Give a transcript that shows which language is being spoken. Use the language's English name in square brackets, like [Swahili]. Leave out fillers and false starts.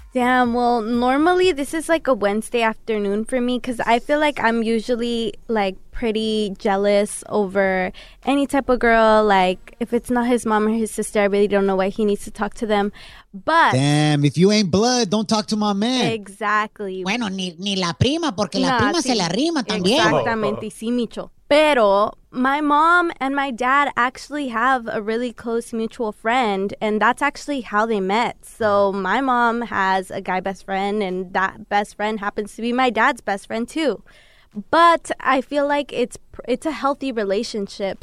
[English] Damn, well, normally this is like a Wednesday afternoon for me, because I feel like I'm usually like pretty jealous over any type of girl. Like if it's not his mom or his sister, I really don't know why he needs to talk to them. But damn, if you ain't blood, don't talk to my man. Exactly. [Spanish] Bueno, ni la prima, porque la prima se la rima también. Exactamente, sí, Micho. [English] Pero my mom and my dad actually have a really close mutual friend, and that's actually how they met. So my mom has a guy best friend, and that best friend happens to be my dad's best friend too. But I feel like it's a healthy relationship.